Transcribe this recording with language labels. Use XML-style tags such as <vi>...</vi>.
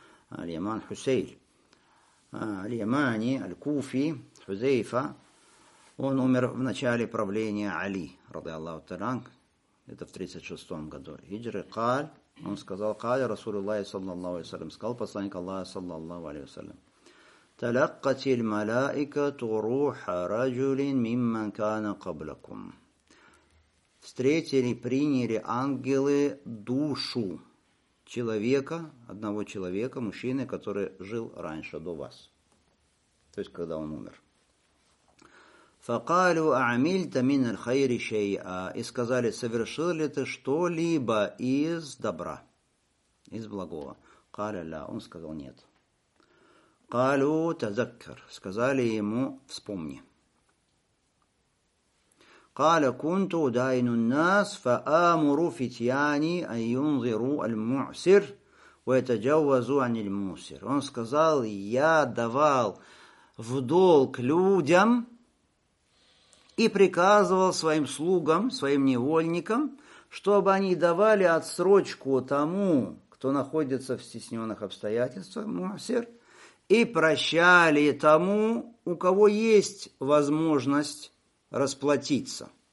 <ru>Аль-Яман Хусейль. Аль-Ямани, аль-Куфи, Хузейфа. Он умер в начале правления Али, радиаллаху таранг. Это в 36-м году. Хиджры Каль. Он сказал, Каль Расулуллахи, саллаллаху алейхи ва саллям. Сказал посланник Аллаха, саллаллаху алейхи ва саллям.</ru> <ar>تلقت الملائكة روح رجل ممن كان قبلكم.</ar> <ru>Встретили, приняли ангелы душу человека, одного человека, мужчины, который жил раньше до вас. То есть, когда он умер.</ru> <ar>فقالوا أعملت من الخير شيئا.</ar> <ru>И сказали, совершил ли ты что-либо из добра, из благого. قال لا. Он сказал нет. قالوا تذكر, сказали ему, вспомни.</ru> <ar>قال كنت أداين الناس فآمروا فتياني أن ينظروا المعسر ويتجاوزوا عن الموسر.</ar> <ru>Он сказал, я давал в долг людям и приказывал своим слугам, своим невольникам, чтобы они давали отсрочку тому, кто находится в стесненных обстоятельствах, муасир, и прощали тому, у кого есть возможность расплатиться.</ru>